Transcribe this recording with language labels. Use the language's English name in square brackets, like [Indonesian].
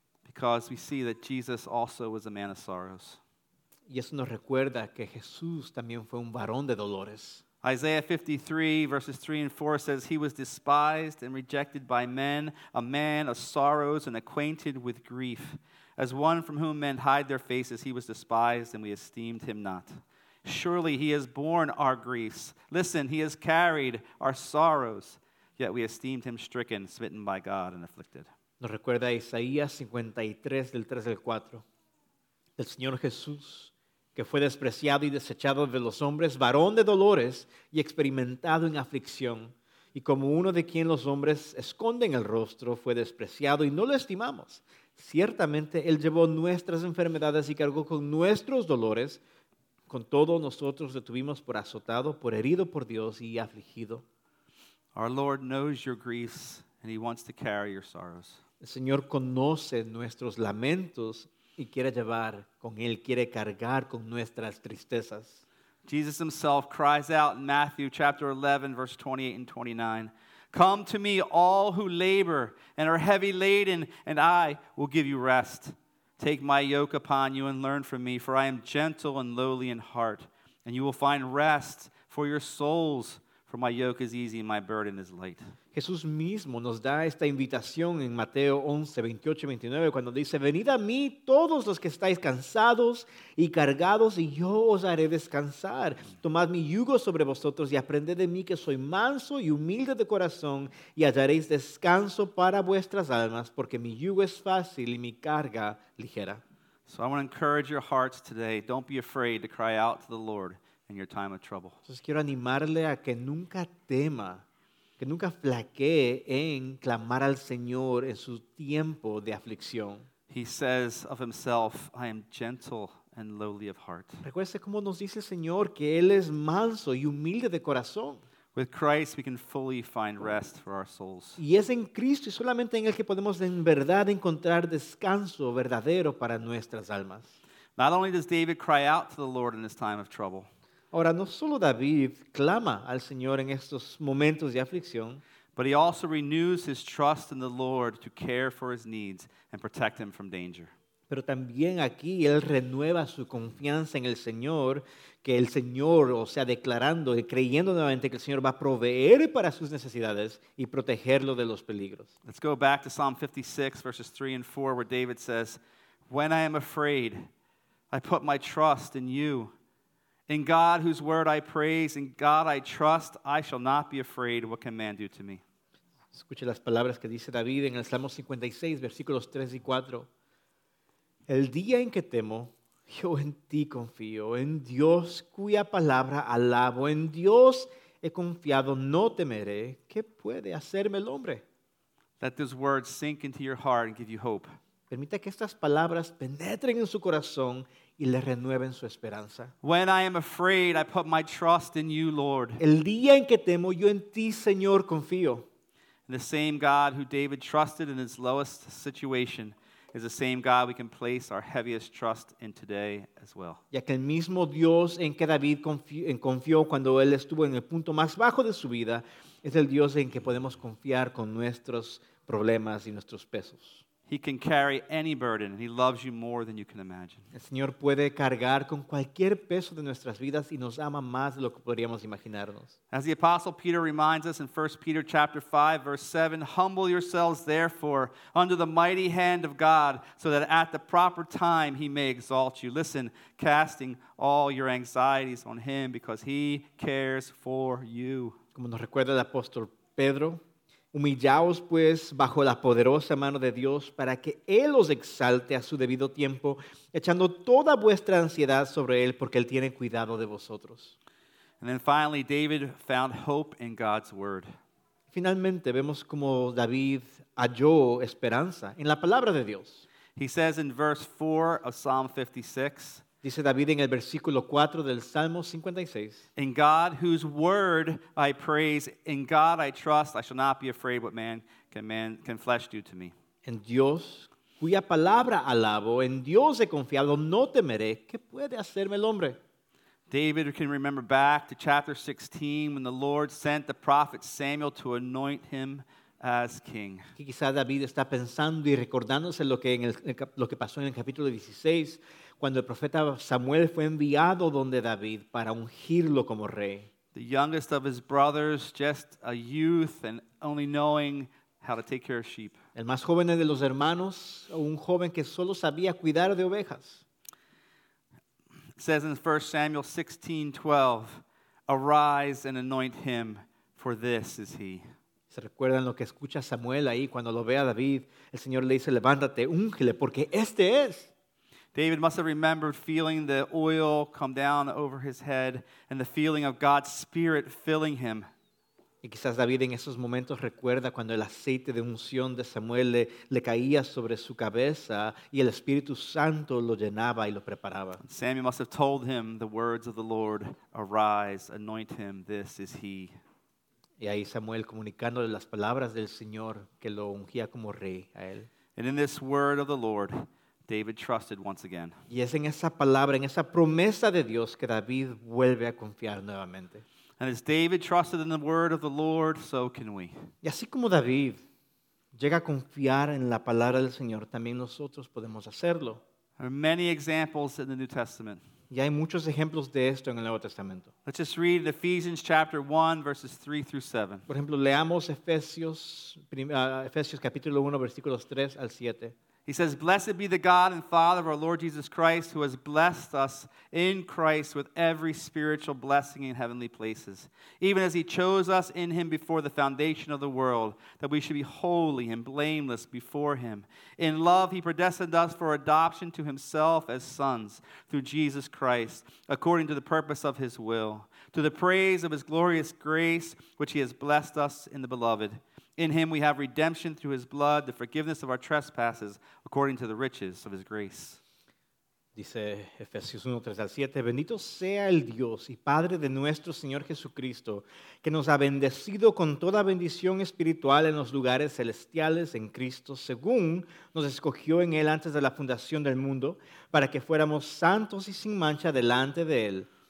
[English] Because we see that Jesus also was a man of sorrows. [Spanish] Y eso nos recuerda que Jesús también fue un varón de dolores. [English] Isaiah 53, verses 3 and 4 says, He was despised and rejected by men, a man of sorrows and acquainted with grief. As one from whom men hide their faces, he was despised and we esteemed him not. Surely he has borne our griefs. Listen, he has carried our sorrows. Yet we esteemed him stricken, smitten by God and afflicted. [Spanish] Nos recuerda Isaías 53, del 3 al 4. El Señor Jesús, que fue despreciado y desechado de los hombres, varón de dolores y experimentado en aflicción, y como uno de quien los hombres esconden el rostro, fue despreciado y no lo estimamos. Ciertamente, Él llevó nuestras enfermedades y cargó con nuestros dolores. Con todo, nosotros lo tuvimos por azotado, por herido por Dios y afligido. [English] Our Lord knows your griefs, and He wants to carry your sorrows. [Spanish] El Señor conoce nuestros lamentos y quiere llevar con él, quiere cargar con nuestras tristezas. [English] Jesus himself cries out in Matthew chapter 11, verse 28 and 29. Come to me, all who labor and are heavy laden, and I will give you rest. Take my yoke upon you and learn from me, for I am gentle and lowly in heart. And you will find rest for your souls, for my yoke is easy and my burden is light. [Spanish] Jesús mismo nos da esta invitación en Mateo 11, 28 y 29, cuando dice, Venid a mí todos los que estáis cansados y cargados, y yo os haré descansar. Tomad mi yugo sobre vosotros y aprended de mí que soy manso y humilde de corazón, y hallaréis descanso para vuestras almas, porque mi yugo es fácil y mi carga ligera. [English] So I want to encourage your hearts today. Don't be afraid to cry out to the Lord in your time of trouble. [Spanish] Entonces quiero animarle a que nunca tema, que nunca flaquee en clamar al Señor en su tiempo de aflicción. [English] He says of himself, I am gentle and lowly of heart. [Spanish] Recuerde cómo nos dice el Señor que Él es manso y humilde de corazón. [English] With Christ we can fully find rest for our souls. [Spanish] Y es en Cristo y solamente en Él que podemos en verdad encontrar descanso verdadero para nuestras almas. [English] Not only does David cry out to the Lord in this time of trouble. [Spanish] Ahora, no solo David clama al Señor en estos momentos de aflicción. [English] but he also renews his trust in the Lord to care for his needs and protect him from danger. [Spanish] Pero también aquí él renueva su confianza en el Señor, que el Señor, o sea, declarando y creyendo nuevamente que el Señor va a proveer para sus necesidades y protegerlo de los peligros. [English] Let's go back to Psalm 56, verses 3 and 4, where David says, "When I am afraid, I put my trust in you. In God, whose word I praise, in God I trust, I shall not be afraid. What can man do to me?" [Spanish] Escuche las palabras que dice David en el Salmo 56, versículos 3 y 4. El día en que temo, yo en ti confío, en Dios cuya palabra alabo, en Dios he confiado, no temeré. ¿Qué puede hacerme el hombre? [English] Let those words sink into your heart and give you hope. [Spanish] Permita que estas palabras penetren en su corazón y le renueven su esperanza. [English] When I am afraid, I put my trust in you, Lord. [Spanish] El día en que temo, yo en ti, Señor, confío. [English] And the same God who David trusted in his lowest situation is the same God we can place our heaviest trust in today as well. [Spanish] Ya que el mismo Dios en que David confió cuando él estuvo en el punto más bajo de su vida es el Dios en que podemos confiar con nuestros problemas y nuestros pesos. [English] He can carry any burden and he loves you more than you can imagine. [Spanish] El Señor puede cargar con cualquier peso de nuestras vidas y nos ama más de lo que podríamos imaginarnos. [English] As the apostle Peter reminds us in 1 Peter chapter 5 verse 7, "Humble yourselves therefore under the mighty hand of God, so that at the proper time he may exalt you." Listen, casting all your anxieties on him because he cares for you. [Spanish] Como nos recuerda el apóstol Pedro, humillaos pues bajo la poderosa mano de Dios para que Él os exalte a su debido tiempo, echando toda vuestra ansiedad sobre Él porque Él tiene cuidado de vosotros. [English] And then finally, David found hope in God's word. [Spanish] Finalmente vemos como David halló esperanza en la palabra de Dios. [English] He says in verse 4 of Psalm 56. [Spanish] Dice David en el versículo 4 del Salmo 56. [English] In God whose word I praise, in God I trust, I shall not be afraid what man can flesh do to me. [Spanish] En Dios cuya palabra alabo, en Dios he confiado, no temeré. ¿Qué puede hacerme el hombre? [English] David can remember back to chapter 16 when the Lord sent the prophet Samuel to anoint him as king. [Spanish] Quizá David está pensando y recordándose lo que pasó en el capítulo 16, cuando el profeta Samuel fue enviado donde David para ungirlo como rey. [English] The youngest of his brothers, just a youth and only knowing how to take care of sheep. [Spanish] El más joven de los hermanos, un joven que solo sabía cuidar de ovejas. [English] It says in 1 Samuel 16:12, "Arise and anoint him, for this is he." [Spanish] ¿Se recuerdan lo que escucha Samuel ahí cuando lo ve a David? El Señor le dice, "Levántate, úngele, porque este es." [English] David must have remembered feeling the oil come down over his head and the feeling of God's Spirit filling him. [Spanish] Y quizás David en esos momentos recuerda cuando el aceite de unción de Samuel le caía sobre su cabeza y el Espíritu Santo lo llenaba y lo preparaba. [English] Samuel must have told him the words of the Lord, "Arise, anoint him, this is he." [Spanish] Y ahí Samuel comunicándole las palabras del Señor que lo ungía como rey a él. [English] And in this word of the Lord, David trusted once again. [Spanish] Y es en esa palabra, en esa promesa de Dios que David vuelve a confiar nuevamente. [English] And as David trusted in the word of the Lord, so can we. [Spanish] Y así como David llega a confiar en la palabra del Señor, también nosotros podemos hacerlo. [English] There are many examples in the New Testament. [Spanish] Y hay muchos ejemplos de esto en el Nuevo Testamento. [English] Let's just read Ephesians chapter 1, verses 3 through 7. [Spanish] Por ejemplo, leamos Efesios capítulo 1, versículos 3 al 7. [English] He says, "Blessed be the God and Father of our Lord Jesus Christ, who has blessed us in Christ with every spiritual blessing in heavenly places, even as he chose us in him before the foundation of the world, that we should be holy and blameless before him. In love he predestined us for adoption to himself as sons through Jesus Christ, according to the purpose of his will, to the praise of his glorious grace, which he has blessed us in the Beloved. In him we have redemption through his blood, the forgiveness of our trespasses, according to the riches of his grace." [Spanish] Dice Efesios 1, 3 al 7, "Bendito sea el Dios y Padre de nuestro Señor Jesucristo, que nos ha bendecido con toda bendición espiritual en los lugares celestiales en Cristo, según nos escogió en él antes de la fundación del mundo, para que fuéramos santos y sin mancha delante de él.